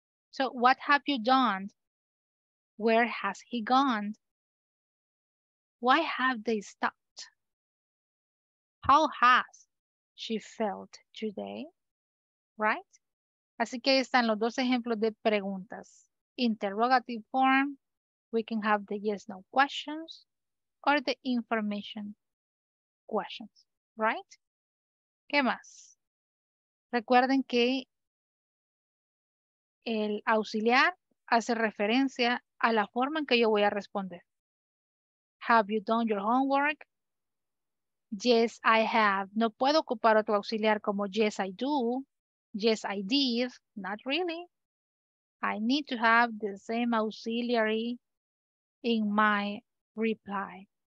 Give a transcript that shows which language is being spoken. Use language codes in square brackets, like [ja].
[en] So, what have you done? Where has he gone? Why have they stopped? How has she felt today? Right? [es] Así que ahí están los dos ejemplos de preguntas. [en] Interrogative form, we can have the yes, no questions, or the information questions, right? [es] ¿Qué más? Recuerden que el auxiliar hace referencia a la forma en que yo voy a responder. [en] Have you done your homework? Yes, I have. [es] No puedo ocupar otro auxiliar como [en] yes, I do. Yes, I did. Not really. I need to have the same auxiliary in my reply.